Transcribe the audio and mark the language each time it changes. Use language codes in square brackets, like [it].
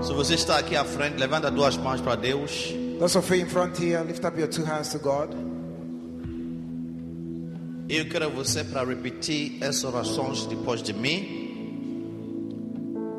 [pt] Está aqui à frente, levanta duas mãos para Deus. [en] Those of you in front here, lift up your two hands to God. [pt] Eu quero você para repetir essas orações depois de mim.